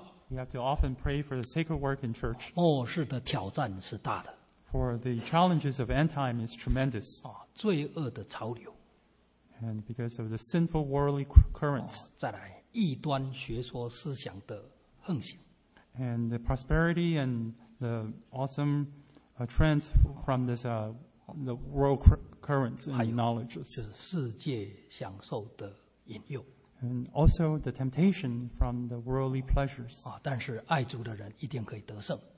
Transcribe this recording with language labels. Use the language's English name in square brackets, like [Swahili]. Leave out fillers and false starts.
[English] We have to often pray for the sacred work in church. [Chinese] 末世的挑战是大的。 [English] For the challenges of end time is tremendous. [Chinese] 罪恶的潮流。 [English] And because of the sinful worldly currents, [Chinese] 再来异端学说思想的横行 [English] and the prosperity and the awesome trends from this the world currents and knowledges, [Chinese] 是世界享受的引诱 [English] and also the temptation from the worldly pleasures. [Chinese] 但是爱主的人一定可以得胜